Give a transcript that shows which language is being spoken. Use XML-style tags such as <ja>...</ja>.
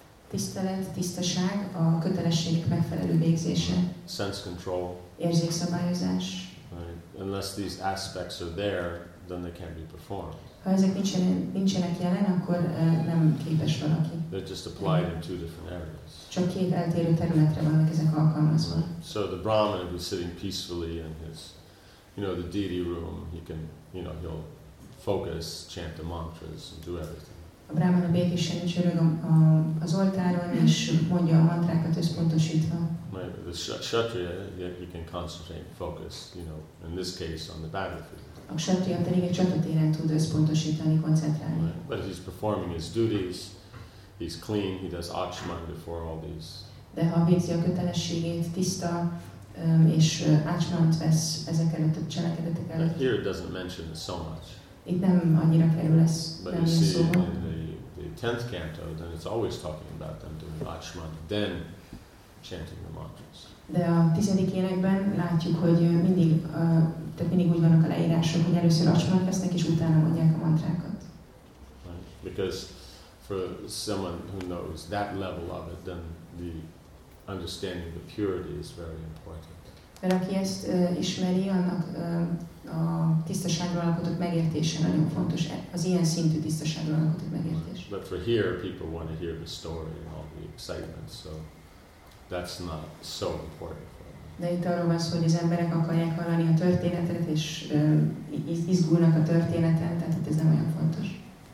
<hu>tisztelet, tisztaság, a kötelességek megfelelő végzése.</hu> <en>Sense control.</en> <hu>Érzékszabályozás.</hu> <en>Right. Unless these aspects are there, then they can't be performed.</en> <hu>Ha ezek nincsenek jelen, akkor nem képes valaki.</hu> <en>They're just applied in two different areas.</en> <hu>Csak két eltérő területre vannak ezek alkalmazva.</hu> <en>Right. So the Brahman who's sitting peacefully in his, you know, the deity room, he can, you know, he'll focus, chant the mantras, and do everything.</en> <hu>A brahmana békésen csörög az oltáron, és mondja a mantrákat összpontosítva.</hu> <en>The kshatriya, you can concentrate, focus, you know, in this case, on the battlefield.</en> <hu>A kshatriya pedig egy csatatéren tud összpontosítani, koncentrálni.</hu> <en>Right. But he's performing his duties, he's clean, he does akshman before all these.</en> <hu>De ha végzi a kötelességét, tiszta, és akshmant vesz ezek előtt a cselekedetek előtt.</hu> <en>But here it doesn't mention so much.</en> <hu>Itt nem annyira kerül ez, nem ilyen szó.</hu> <en>Tenth canto, then it's always talking about them doing ashman, then chanting the mantras.</en> <hu>De a tizedik énekben látjuk, hogy mindig, tehát mindig úgy vannak a leírások, hogy először ashman vesznek, és utána mondják a mantrákat.</hu> <en>Right. Because for someone who knows that level of it, then the understanding of the purity is very important.</en> <hu>Mert aki ezt ismeri, annak a tisztaságról alkotott megértése nagyon fontos, az ilyen szintű tisztaságról alkotott megértés.</hu> <en>But for here, people want to hear the story and all the excitement, so that's not so important.</en> <hu>De itt arról van szó, hogy az emberek akarják hallani a történetet, és izgulnak a történeten, tehát itt ez nem olyan fontos.</hu>